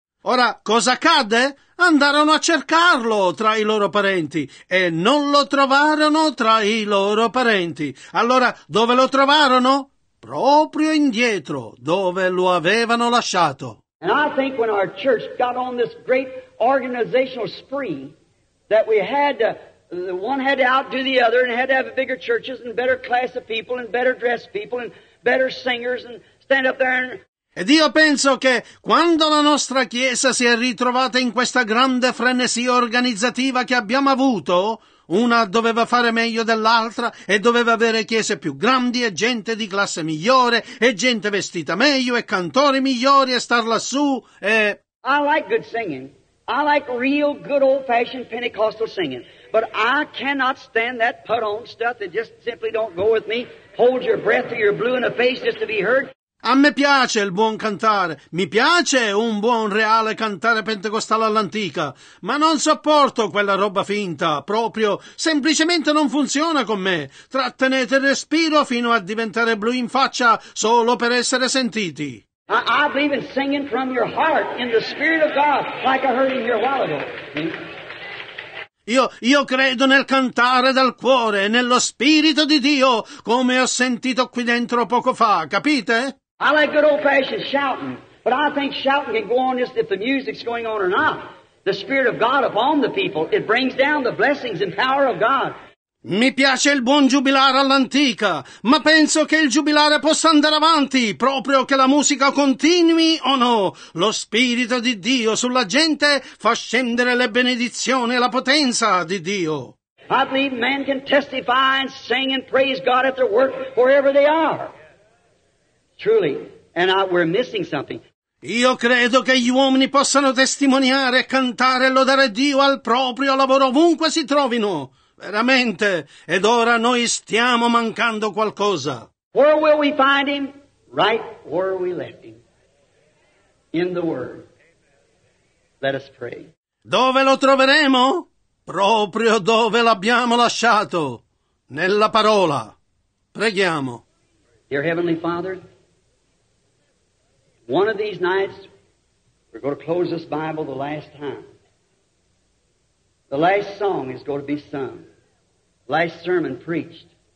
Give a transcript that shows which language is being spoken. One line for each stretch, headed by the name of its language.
Italian: Ora, cosa accadde? Andarono a cercarlo tra i loro parenti e non lo trovarono tra i loro parenti. Allora, dove lo trovarono? Proprio indietro, dove lo avevano lasciato.
English: And I think when our church got on this great organizational spree that we had The one had to outdo the other and had to have bigger churches and better class of people and better dressed people and better singers and stand up there and...
Italian: Ed io penso che quando la nostra Chiesa si è ritrovata in questa grande frenesia organizzativa che abbiamo avuto, una doveva fare meglio dell'altra e doveva avere chiese più grandi e gente di classe migliore e gente vestita meglio e cantori migliori e star lassù e...
English: I like good singing. I like real good old-fashioned Pentecostal singing. But I cannot stand that put-on stuff that just simply don't go with me. Hold your breath till you're blue in the face just to be heard.
Italian: A me piace il buon cantare, mi piace un buon reale cantare pentecostale all'antica, ma non sopporto quella roba finta, proprio, semplicemente non funziona con me. Trattenete il respiro fino a diventare blu in faccia solo per essere sentiti.
English: I believe in singing from your heart, in the spirit of God, like I heard him here a while ago.
Italian: Io credo nel cantare dal cuore, nello spirito di Dio, come ho sentito qui dentro poco fa, capite?
English: I like good old-fashioned shouting, but I think shouting can go on just if the music's going on or not. The Spirit of God upon the people, it brings down the blessings and power of God.
Italian: Mi piace il buon giubilare all'antica, ma penso che il giubilare possa andare avanti, proprio che la musica continui o no. Lo Spirito di Dio sulla gente fa scendere le benedizioni e la potenza di Dio.
English: I believe man can testify and sing and praise God at their work wherever they are. Truly, and we're missing something.
Italian: Io credo che gli uomini possano testimoniare, cantare e lodare Dio al proprio lavoro ovunque si trovino. Veramente, ed ora noi stiamo mancando qualcosa.
English: Where will we find him? Right where we left him. In the Word. Let us pray.
Italian: Dove lo troveremo? Proprio dove l'abbiamo lasciato. Nella parola. Preghiamo.
English: Dear Heavenly Father, one of these nights, we're going to close this Bible the last time. The last song is going to be sung. Last sermon preached.